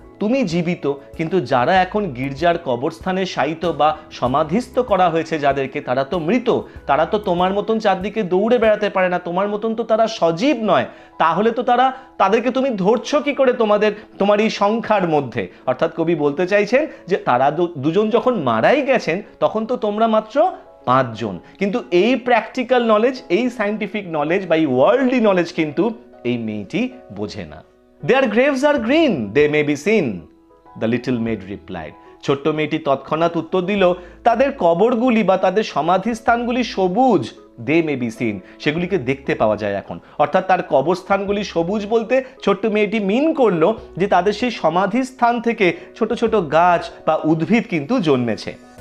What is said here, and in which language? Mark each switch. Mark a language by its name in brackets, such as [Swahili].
[Bangla] তুমি জীবিত, কিন্তু যারা এখন গির্জার কবরস্থানে শায়িত বা সমাধিস্থ করা হয়েছে যাদেরকে, তারা তো মৃত, তারা তো তোমার মতন চারদিকে দৌড়ে বেড়াতে পারে না, তোমার মতন তো তারা সজীব নয়, তাহলে তো তারা তাদেরকে তুমি ধরছো কী করে তোমাদের তোমার এই সংখ্যার মধ্যে। অর্থাৎ কবি বলতে চাইছেন যে তারা দুজন যখন মারাই গেছেন তখন তো তোমরা মাত্র পাঁচজন, কিন্তু এই প্র্যাকটিক্যাল নলেজ, এই সায়েন্টিফিক নলেজ বা এই ওয়ার্ল্ডলি নলেজ কিন্তু এই মেয়েটি বোঝে না। [English] Their graves are green, they may be seen, the little maid replied. [Bangla] ছোট্ট মেয়েটি তৎক্ষণাৎ উত্তর দিল, তাদের কবরগুলি বা তাদের সমাধিস্থানগুলি সবুজ, [English] they may be seen, [Bangla] সেগুলিকে দেখতে পাওয়া যায় এখন। অর্থাৎ তার কবরস্থানগুলি সবুজ বলতে ছোট্ট মেয়েটি মিন করল যে তাদের সেই সমাধি স্থান থেকে ছোট ছোট গাছ বা উদ্ভিদ কিন্তু জন্মেছে।